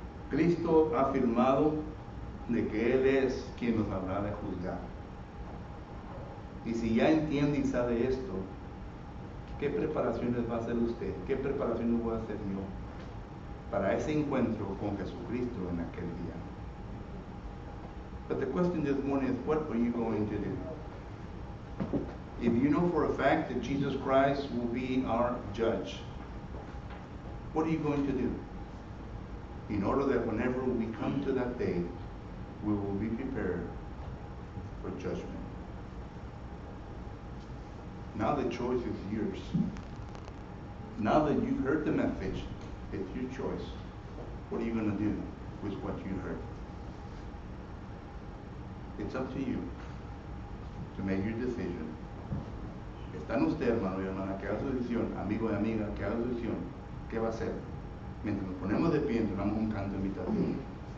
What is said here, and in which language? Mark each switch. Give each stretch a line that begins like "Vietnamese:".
Spanish: Cristo ha afirmado de que Él es quien nos habrá de juzgar. Y si ya entiende y sabe esto, ¿qué preparaciones va a hacer usted? ¿Qué preparaciones voy a hacer yo para ese encuentro con Jesucristo en aquel día?
English: But the question this morning is, what are you going to do? If you know for a fact that Jesus Christ will be our judge, what are you going to do in order that whenever we come to that day, we will be prepared for judgment? Now the choice is yours. Now that you've heard the message, it's your choice. What are you going to do with what you heard? It's up to you to make your decision.
Spanish: Están ustedes, hermano y hermana, que haga su decisión, amigo y amiga, que haga su decisión. ¿Qué va a hacer? Mientras nos ponemos de pie, entonamos un canto de invitación.